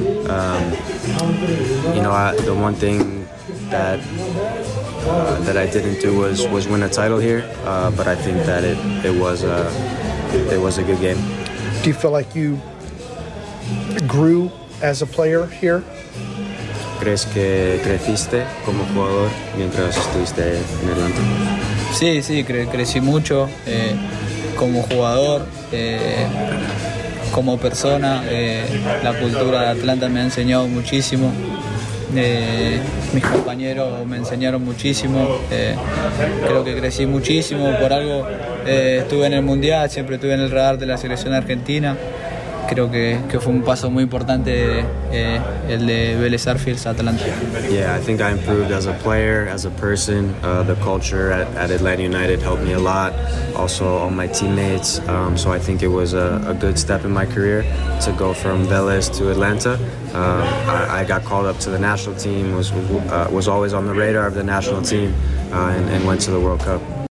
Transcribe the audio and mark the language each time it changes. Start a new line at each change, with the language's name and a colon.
English: You know, the one thing that I didn't do was win a title here. But I think that it was a good game. Do you feel like you grew as a player here?
Spanish: ¿Crees que creciste como jugador mientras estuviste en Atlanta? Sí, crecí mucho como jugador, como persona. La cultura de Atlanta me ha enseñado muchísimo. Mis compañeros me enseñaron muchísimo. Creo que crecí muchísimo. Por algo estuve en el Mundial, siempre estuve en el radar de la selección argentina. Creo que fue un paso muy importante el de Vélez Sarsfield a Atlanta.
English: Yeah, I think I improved as a player, as a person. The culture at Atlanta United helped me a lot. Also, all my teammates. So I think it was a good step in my career to go from Vélez to Atlanta. I got called up to the national team, was always on the radar of the national team, and went to the World Cup.